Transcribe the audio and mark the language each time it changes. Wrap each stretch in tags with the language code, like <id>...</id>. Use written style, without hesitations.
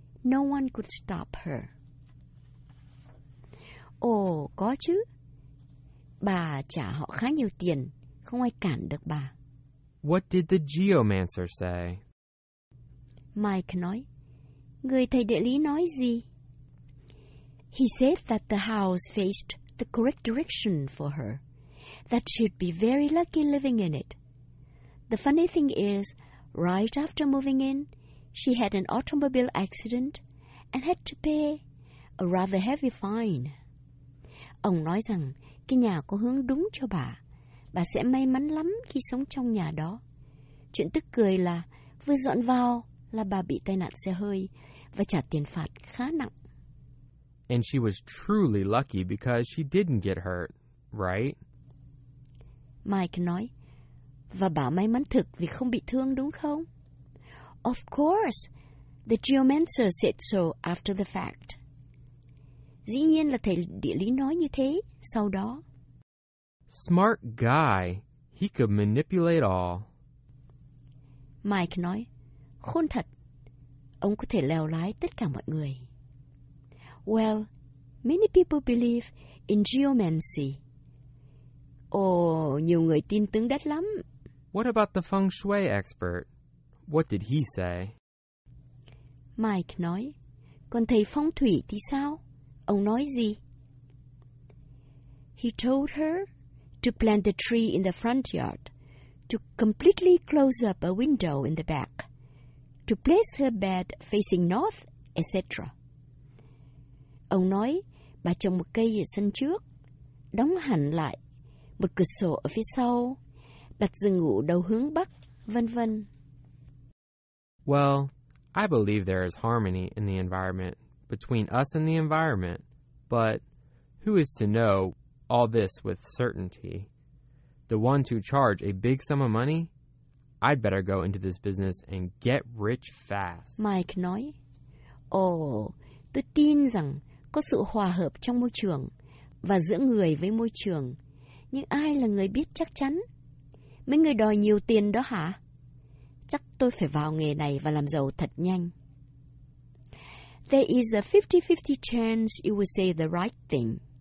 <en>No one could stop her.</en> <vi>Oh, có chứ. Bà trả họ khá nhiều tiền, không ai cản được bà.</vi> <en>What did the geomancer say?</en> <vi>Mike nói, người thầy địa lý nói gì?</vi> <en>He said that the house faced the correct direction for her, that she'd be very lucky living in it. The funny thing is, right after moving in, she had an automobile accident and had to pay a rather heavy fine.</en> <vi>Ông nói rằng cái nhà có hướng đúng cho bà. Bà sẽ may mắn lắm khi sống trong nhà đó. Chuyện tức cười là vừa dọn vào là bà bị tai nạn xe hơi và trả tiền phạt khá nặng.</vi> <en>And she was truly lucky because she didn't get hurt, right?</en> <vi>Mike nói, và bảo may mắn thực vì không bị thương đúng không?</vi> <en>Of course, the geomancer said so after the fact.</en> <vi>Dĩ nhiên là thầy địa lý nói như thế sau đó.</vi> <en>Smart guy, he could manipulate all.</en> <vi>Mike nói, khôn thật, ông có thể lèo lái tất cả mọi người.</vi> <en>Well, many people believe in geomancy.</en> <vi>Oh, nhiều người tin tướng đất lắm.</vi> <en>What about the feng shui expert? What did he say?</en> <vi>Mike nói, còn thầy phong thủy thì sao? Ông nói gì?</vi> <en>He told her to plant the tree in the front yard, to completely close up a window in the back, to place her bed facing north, etc.</en> <vi>Ông nói, bà trồng một cây ở sân trước, đóng hẳn lại, một cửa sổ ở phía sau, đặt giường ngủ đầu hướng bắc, vân vân.</vi> <en>Well, I believe there is harmony in the environment, between us and the environment, but who is to know all this with certainty? The ones who charge a big sum of money? I'd better go into this business and get rich fast.</en> <vi>Mike nói, oh, tôi tin rằng có sự hòa hợp trong môi trường và giữa người với môi trường. Nhưng ai là người biết chắc chắn? Mấy người đòi nhiều tiền đó hả? Chắc tôi phải vào nghề này và làm giàu thật nhanh.</vi> <en>There is a 50-50 chance you will say the right thing.</en>